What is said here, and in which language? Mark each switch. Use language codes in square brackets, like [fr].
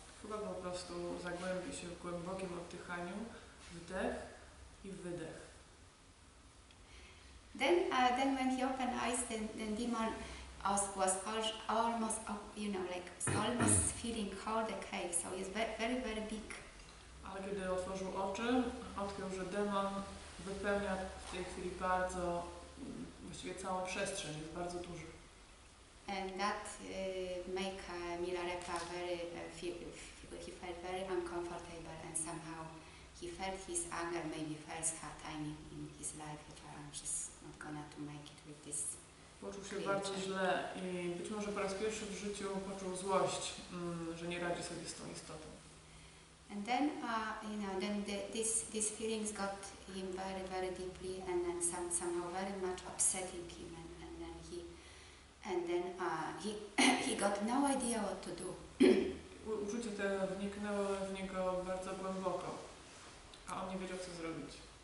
[pl] Chyba po prostu zagłębię się w głębokim oddychaniu, wdech i wydech. [en] Then when he opened eyes, then demon was almost, you know, like almost feeling whole the cave. So he's very, very big. [pl] Ale kiedy otworzył oczy, odkrył, że demon wypełnia w tej chwili bardzo, właściwie całą przestrzeń, jest bardzo duży. [en] And that make Milarepa very he felt very uncomfortable, and somehow he felt his anger, maybe first hard time in his life. If I'm just not gonna to make it with this. [pl] Poczuł się bardzo źle i być może po raz pierwszy w życiu poczuł złość, że nie radzi sobie z tą istotą. [en] And then you know, then these feelings got him very, very deeply, and then somehow very much upsetting him, and then he got no idea what to do. [pl] Uczucie te wniknęło w niego bardzo głęboko, a on nie wiedział, co zrobić.